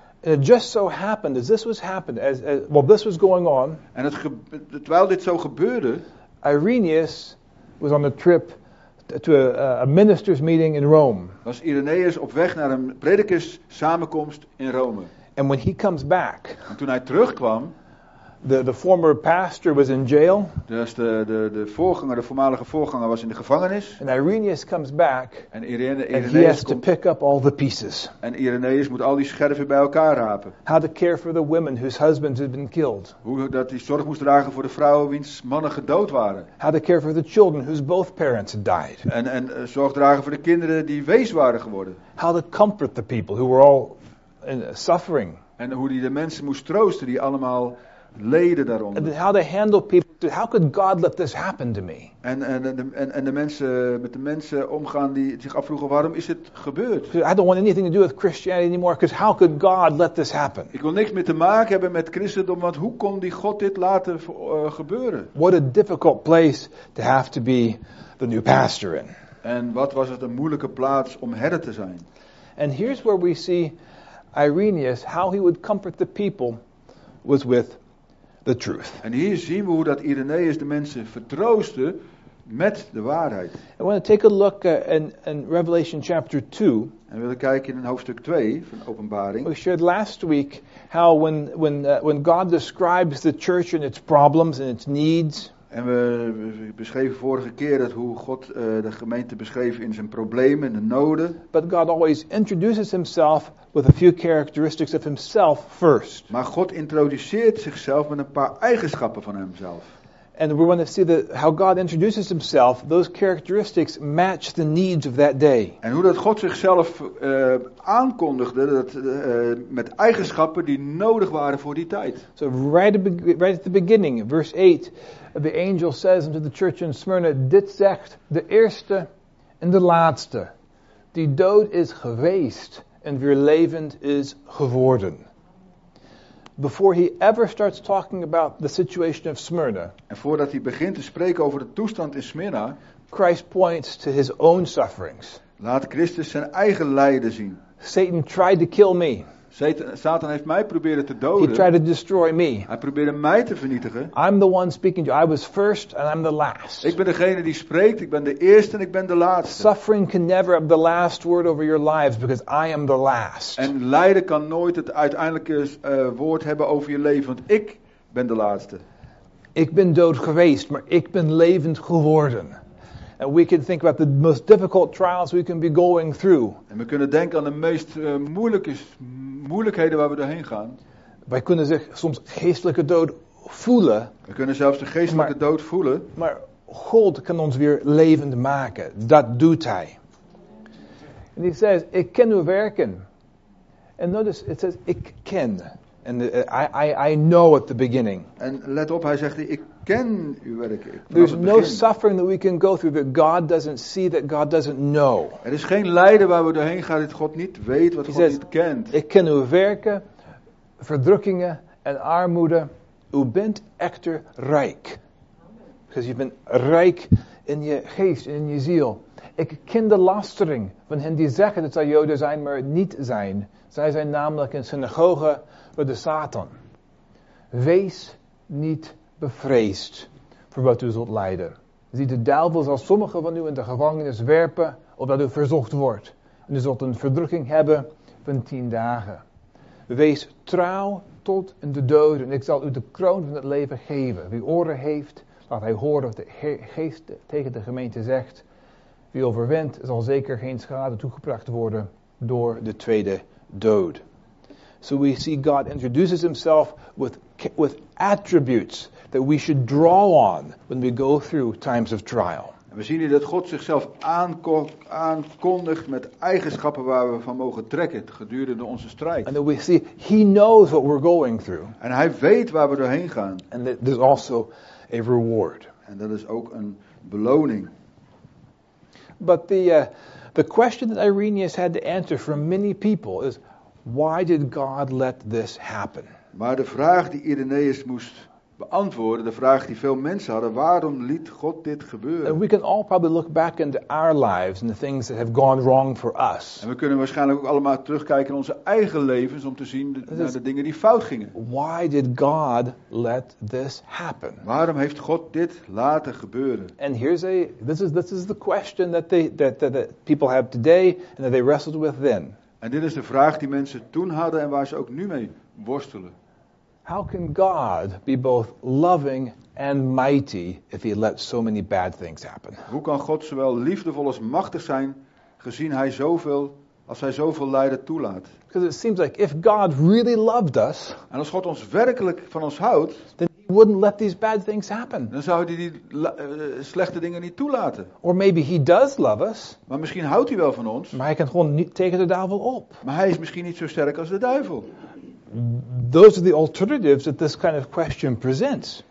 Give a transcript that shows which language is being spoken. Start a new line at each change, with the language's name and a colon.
English: And it just so happened as this was happening, as this was going on.
Dutch: En terwijl dit zo gebeurde,
English: Irenaeus was on a trip to a minister's meeting in Rome.
Dutch: Was Irenaeus op weg naar een predikerssamenkomst in Rome.
English: And when he comes back,
Dutch: en toen hij terugkwam,
English: The former pastor was in jail.
Dutch: Dus de voorganger, de voormalige voorganger was in de gevangenis.
English: And Irenaeus comes back.
Dutch: En Irenaeus
English: and he has to pick up all the pieces.
Dutch: En Irenaeus moet al die scherven bij elkaar rapen.
English: How to care for the women whose husbands had been killed.
Dutch: Hoe dat hij zorg moest dragen voor de vrouwen wiens mannen gedood waren.
English: How to care for the children whose both parents had died.
Dutch: En zorg dragen voor de kinderen die wees waren geworden.
English: How to comfort the people who were all suffering.
Dutch: En hoe hij de mensen moest troosten die allemaal leden daaronder.
English: And how to handle people. How could God let this happen to me?
Dutch: En de mensen met de mensen omgaan die zich afvroegen waarom is dit gebeurd?
English: I don't want anything to do with Christianity anymore because how could God let this happen?
Dutch: Ik wil niks meer te maken hebben met Christendom, want hoe kon die God dit laten gebeuren?
English: What a difficult place to have to be the new pastor in.
Dutch: En wat was het een moeilijke plaats om herder te zijn?
English: And here's where we see Irenaeus, how he would comfort the people was with the truth.
Dutch: En hier zien we hoe dat Irenaeus de mensen vertroostte met de waarheid.
English: I want to take a look in Revelation chapter 2.
Dutch: En we willen kijken in hoofdstuk 2 van Openbaring.
English: We shared last week how when God describes the church and its problems and its needs.
Dutch: En we beschreven vorige keer dat hoe God de gemeente beschreef in zijn problemen en de noden.
English: But God always introduces himself with a few characteristics of himself first.
Dutch: Maar God introduceert zichzelf met een paar eigenschappen van hemzelf.
English: And we want to see that how God introduces himself, those characteristics match the needs of that day.
Dutch: En hoe dat God zichzelf aankondigde, dat met eigenschappen die nodig waren voor die tijd.
English: So right at the beginning, verse 8, the angel says unto the church in Smyrna,
Dutch: dit zegt de eerste en de laatste, die dood is geweest en weer levend is geworden.
English: Before he ever starts talking about the situation of Smyrna.
Dutch: En voordat hij begint te spreken over de toestand in Smyrna,
English: Christ points to his own sufferings.
Dutch: Laat Christus zijn eigen lijden zien.
English: Satan tried to kill me.
Dutch: Satan heeft mij proberen te doden.
English: He tried to destroy me.
Dutch: Hij probeerde mij te vernietigen.
English: I'm the one speaking to you. I was first and I'm the last.
Dutch: Ik ben degene die spreekt. Ik ben de eerste en ik ben de laatste.
English: Suffering can never have the last word over your lives because I am the last.
Dutch: En lijden kan nooit het uiteindelijke woord hebben over je leven, want ik ben de laatste. Ik ben dood geweest, maar ik ben levend geworden.
English: And we can think about the most difficult trials we can be going through.
Dutch: En we kunnen denken aan de meest moeilijkheden waar we doorheen gaan. Wij kunnen zich soms geestelijke dood voelen. We kunnen zelfs de geestelijke dood voelen. Maar God kan ons weer levend maken. Dat doet Hij.
English: And He says,
Dutch: ik ken uw werken.
English: And notice, it says,
Dutch: ik ken.
English: And I know at the beginning.
Dutch: En let op, hij zegt, ik ken uw werken.
English: There's no suffering that we can go through that God doesn't see, that God doesn't know.
Dutch: Er is geen lijden waar we doorheen gaan dat God niet weet, wat
English: he God says,
Dutch: niet kent. Ik ken uw werken, verdrukkingen en armoede. U bent echter rijk.
English: Because you've been
Dutch: rijk in je geest en in je ziel. Ik ken de lastering van hen die zeggen dat zij Joden zijn, maar het niet zijn. Zij zijn namelijk een synagoge voor de Satan. Wees niet bevreesd voor wat u zult lijden. Zie, de duivel zal sommigen van u in de gevangenis werpen, opdat u verzocht wordt. En u zult een verdrukking hebben van 10 dagen. Wees trouw tot in de dood en ik zal u de kroon van het leven geven. Wie oren heeft, laat hij horen wat de geest tegen de gemeente zegt. Wie overwint, zal zeker geen schade toegebracht worden door de tweede dood.
English: So we see God introduces himself with attributes that we should draw on when we go through times of trial.
Dutch: We zien hier dat God zichzelf aankondigt met eigenschappen waar we van mogen trekken gedurende onze strijd.
English: And we see he knows what we're going through.
Dutch: En hij weet waar we doorheen gaan.
English: And there's also a reward.
Dutch: En dat is ook een beloning.
English: But the question that Irenaeus had to answer for many people is, why did God let this happen?
Dutch: Maar de vraag die Irenaeus moest beantwoorden, de vraag die veel mensen hadden, waarom liet God dit gebeuren?
English: And we can all probably look back into our lives and the things that have gone wrong for us.
Dutch: En we kunnen waarschijnlijk ook allemaal terugkijken in onze eigen levens om te zien naar de dingen die fout gingen.
English: Why did God let this happen?
Dutch: Waarom heeft God dit laten gebeuren?
English: And here's this is the question that people have today and that they wrestled with then.
Dutch: En dit is de vraag die mensen toen hadden en waar ze ook nu mee worstelen.
English: How can God be both loving and mighty if he lets so many bad things happen?
Dutch: Hoe kan God zowel liefdevol als machtig zijn gezien hij zoveel als hij zoveel lijden toelaat?
English: Because it seems like if God really loved us,
Dutch: en als God ons werkelijk van ons houdt,
English: then he wouldn't let these bad things happen.
Dutch: Dan zou hij die slechte dingen niet toelaten.
English: Or maybe he does love us.
Dutch: Maar misschien houdt hij wel van ons. Maar hij kan gewoon niet tegen de duivel op. Maar hij is misschien niet zo sterk als de duivel.
English: Those are the alternatives that this kind of question presents.